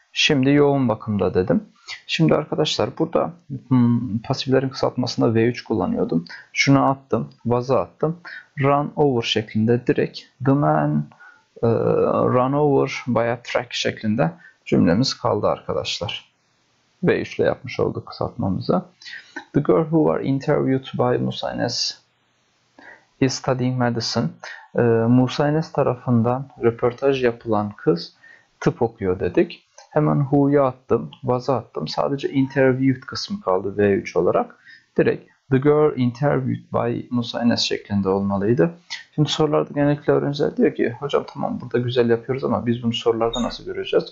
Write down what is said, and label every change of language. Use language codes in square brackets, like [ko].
[tr] Şimdi yoğun bakımda dedim. Şimdi arkadaşlar burada pasiflerin kısaltmasında V3 kullanıyordum. Şunu attım. Was'a attım. [en] Run over [tr] şeklinde direkt [en] the man run over by a track [tr] şeklinde cümlemiz kaldı arkadaşlar. V3 ile yapmış olduk kısaltmamızı. [en] The girl who was interviewed by Musa Enes is studying medicine. [tr] Musa Enes tarafından röportaj yapılan kız tıp okuyor dedik. Hemen who'ya attım, was'a attım. Sadece interviewed kısmı kaldı V3 olarak. Direkt [en] the girl interviewed by Musa Enes [tr] şeklinde olmalıydı. Şimdi sorularda genellikle öğrenciler diyor ki hocam tamam burada güzel yapıyoruz ama biz bunu sorularda nasıl göreceğiz?